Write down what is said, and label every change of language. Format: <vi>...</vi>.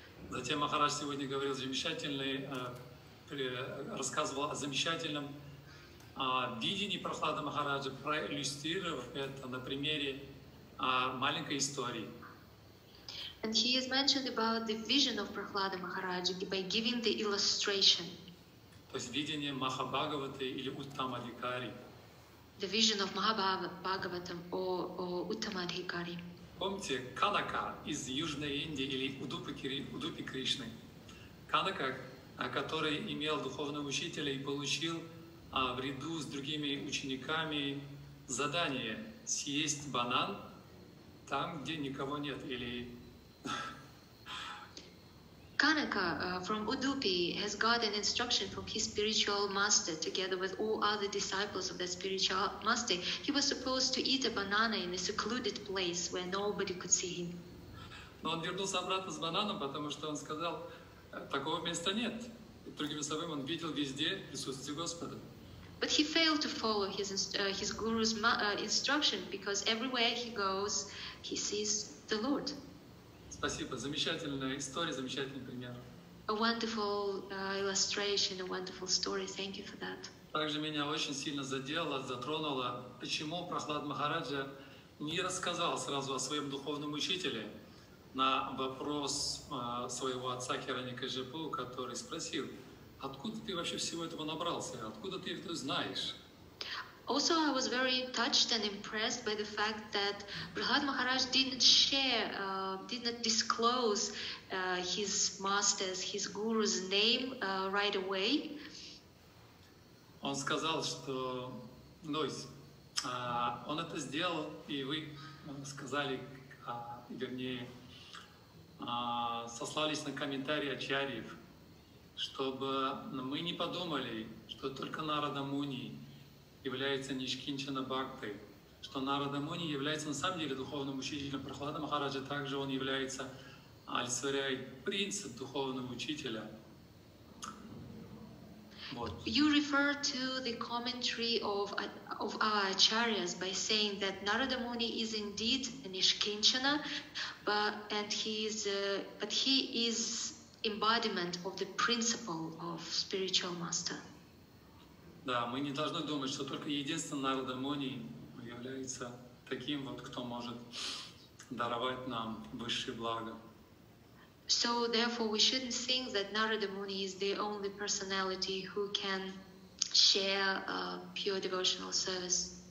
<ru>Затем Махарадж сегодня говорил замечательный, рассказывал о замечательном видении Прахлада Махараджа, проиллюстрировав это на примере маленькой истории.</ru> <en>And he has mentioned about the vision of Prahlada Maharaja by giving the illustration.</en> <ru>То есть видение Махабхагаваты или Уттамадхикари.</ru> <en>The vision of Mahabhagavatam or Uttamadhikari.</en> <ru>Помните Канака из Южной Индии или Удупи Кришны? Канака, который имел духовного учителя и получил в ряду с другими учениками задание съесть банан там, где никого нет, или...</ru> <en>Kanaka from Udupi has got an instruction from his spiritual master together with all other disciples of that spiritual master. He was supposed to eat a banana in a secluded place where nobody could see him.</en> <ru>Но он вернулся обратно с бананом, потому что он сказал, такого места нет. Другими словами, он видел везде присутствие Господа.</ru> <en>But he failed to follow his guru's instruction because everywhere he goes, he sees the Lord.</en> <ru>Спасибо. Замечательная история, замечательный пример.</ru> <en>A wonderful illustration, a wonderful story. Thank you for that.</en> <ru>Также меня очень сильно задело, затронуло, почему Прахлад Махараджа не рассказал сразу о своем духовном учителе на вопрос своего отца Хирани Кашипу, который спросил, откуда ты вообще всего этого набрался, откуда ты это знаешь?</ru> <en>Also, I was very touched and impressed by the fact that Prahlad Maharaj didn't share, didn't disclose his master's, his guru's name right away.</en> <ru>Он сказал, что, ну, он это сделал, и вы сказали, вернее, сослались на комментарии ачарьев, чтобы мы не подумали, что только Нарада Муни является Нишкинчана Бхактой, что Нарада Муни является на самом деле духовным учителем Прахлада Махараджа, также он является олицетворяет принцип духовного учителя. Вот.</ru> <en>You refer to the commentary of our acharyas by saying that Narada Muni is indeed Nishkinchana, but he is embodiment of the principle of spiritual master.</en> <ru>Да, мы не должны думать, что только единственный народ Армонии является таким вот, кто может даровать нам высшие блага.</ru> <en>So therefore we shouldn't think that Narada Muni is the only personality who can share pure devotional service.</en>